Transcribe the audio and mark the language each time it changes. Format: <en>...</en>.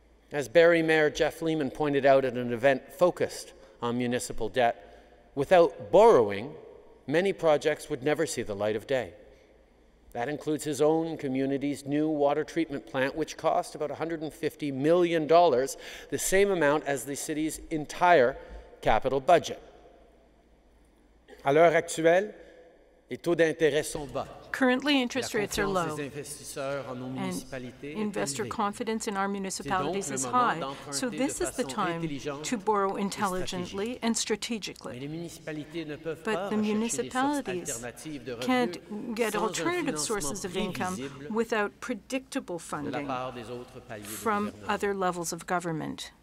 <en>As Barrie Mayor Jeff Lehman pointed out at an event focused on municipal debt, without borrowing, many projects would never see the light of day. That includes his own community's new water treatment plant, which cost about $150 million, the same amount as the city's entire capital budget.</en> <fr>À l'heure actuelle, les taux d'intérêt sont bas.</fr> <en>Currently, interest rates are low, and investor confidence in our municipalities is high. So this is the time to borrow intelligently and strategically. But the municipalities can't get alternative sources of income without predictable funding from other levels of government.</en>